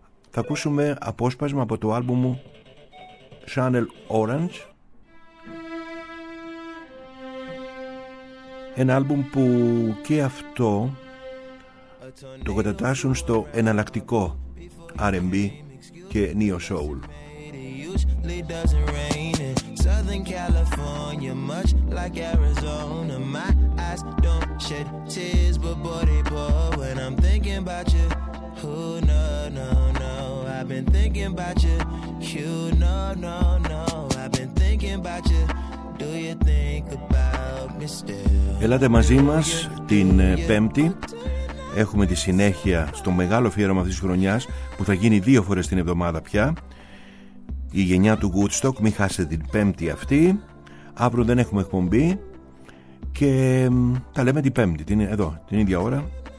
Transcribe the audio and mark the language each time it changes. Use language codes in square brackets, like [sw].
[el] Θα ακούσουμε απόσπασμα από το άλμπουμ μου Channel Orange, ένα άλμπουμ που και αυτό το κατατάσσουν στο εναλλακτικό R&B και Neo Soul. [en] Usually doesn't rain in Southern California, much like Arizona. My eyes don't shed tears, but boy, they pour when I'm thinking about you. Oh, no, no, no. I've been thinking about you. You, no, no, no. I've been thinking about you. Do you think about me still? [el] Ελάτε μαζί μας την Πέμπτη. Έχουμε τη συνέχεια στο μεγάλο αφιέρωμα αυτής της χρονιάς που θα γίνει δύο φορές την εβδομάδα πια. Η γενιά του Woodstock, μην χάσετε την Πέμπτη αυτή. Αύριο δεν έχουμε εκπομπή και τα λέμε την Πέμπτη, εδώ, την ίδια ώρα.